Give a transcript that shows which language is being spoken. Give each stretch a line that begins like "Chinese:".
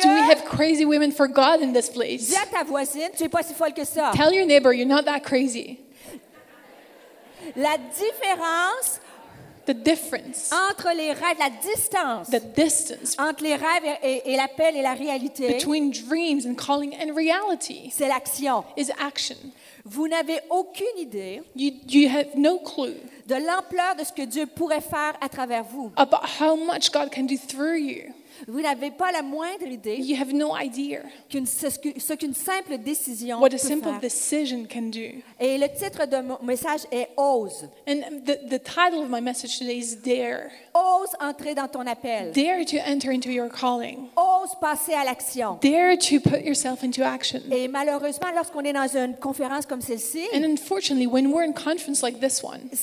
English: Do we have crazy women for God in this place?
French: Dis à ta voisine, tu es pas si folle que ça.
English: Tell your neighbor, you're not that crazy.
French: La différence,
English: the difference,
French: entre les rêves, la distance,
English: the distance,
French: entre les rêves et l'appel et la réalité,
English: between dreams and calling and reality,
French: c'est l'action,
English: is action.
French: Vous n'avez aucune idée.
English: You have no clue.
French: De l'ampleur de ce que Dieu pourrait faire à travers vous.
English: About how much God can do through you.
French: Vous n'avez pas la moindre idée.
English: You have no idea.
French: Ce qu'une simple décision
English: what
French: peut
English: a simple
French: faire.
English: Decision can do.
French: Et le titre de mon message est Ose.
English: And the title of my message today is Dare.
French: Ose entrer dans ton appel.
English: Dare to enter into your calling.
French: Ose ose passer à l'action.
English: Dare to put yourself into action.
French: Et malheureusement, lorsqu'on est dans une conférence comme celle-ci,
English: and unfortunately, when we're in conference like this one,